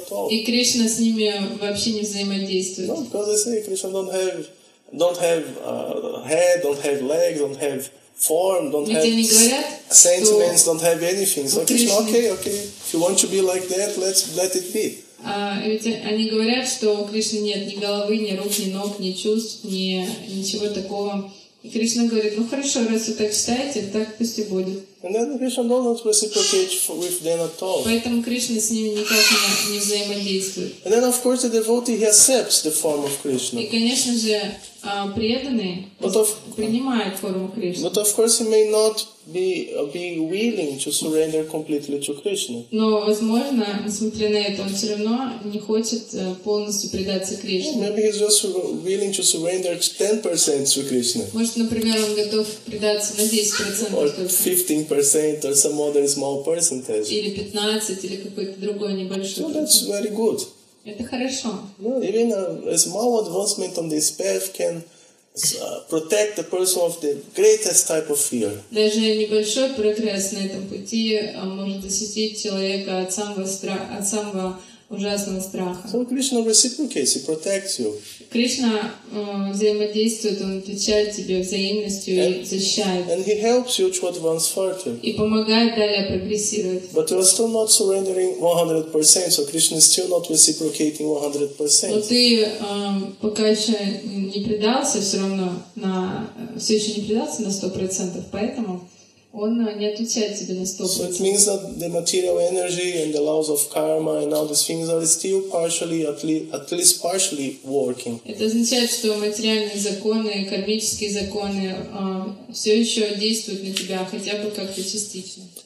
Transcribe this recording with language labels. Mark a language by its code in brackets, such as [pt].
[ru] И Кришна с ними вообще не взаимодействует. [en] No, because they say Krishna don't have head, don't have legs, don't have form, don't [ru] ведь [en] have [ru] говорят, [en] sentiments, don't have anything. So Krishna, okay. If you want to be like that, let it be. [ru] Они говорят, что у Кришны нет ни головы, ни рук, ни ног, ни чувств, ничего такого. И Кришна говорит, ну хорошо, раз вы так считаете, так пусть и будет. [en] And then Krishna doesn't reciprocate with them at all. [ru] Поэтому Кришна с ними никак не взаимодействует. [en] And then, of course, the devotee, he accepts the form of Krishna. [ru] И, конечно же, преданный принимает форму Кришны. [en] But of course, he may not be willing to surrender completely to Krishna. [ru] Но, возможно, несмотря на это, он все равно не хочет полностью предаться Кришне. [en] Maybe he's just willing to surrender 10% to Krishna. [ru] Может, например, он готов предаться на 10% только. [en] Or 15% or some other small percentage. [ru] Или 15, или какой-то другой небольшой. [en] So that's very good. [ru] Это хорошо. [en] Well, even a small advancement on this path can protect the person of the greatest type of fear. [ru] Даже небольшой прогресс на этом пути может защитить человека от самого ужасного страха. [en] So Krishna reciprocates, he protects you. [ru] Кришна взаимодействует, он отвечает тебе взаимностью и защищает. [en] And he helps you to advance further. [ru] И помогает далее прогрессировать. [en] But you are still not surrendering 100%, so Krishna is still not reciprocating 100%. [ru] Но ты пока еще не предался, все равно все еще не предался на 100%, поэтому он не отвечает тебе на 100%. [en] So it means that the material energy and the laws of karma and all these things are still partially, at least partially working. [ru] Это означает, что материальные законы, кармические законы все еще действуют на тебя, хотя бы как-то частично.